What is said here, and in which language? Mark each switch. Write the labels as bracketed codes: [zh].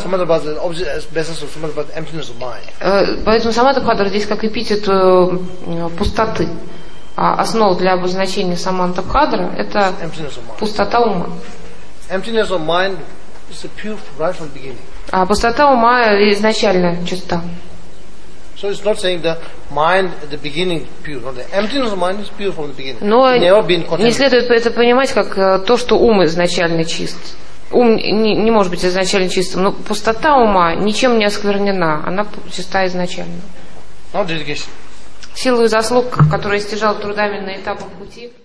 [en] Самандабхадра object as basis of Самандабхадра emptiness of mind. [ru] Поэтому Самандабхадра здесь как эпитет пустоты. А основа для обозначения Самандабхадра – это пустота ума. [en] Emptiness of mind is a pure right from beginning. [ru] А пустота ума изначально чиста. [en] So it's not saying the mind at the beginning pure. No, the emptiness of mind is pure from the beginning. [ru] Но не следует это понимать как то, что ум изначально чист. Ум не может быть изначально чистым, но пустота ума ничем не осквернена, она чиста изначально. [en] Now dedication. [ru] Силу и заслуг, которые стяжал трудами на этапах пути.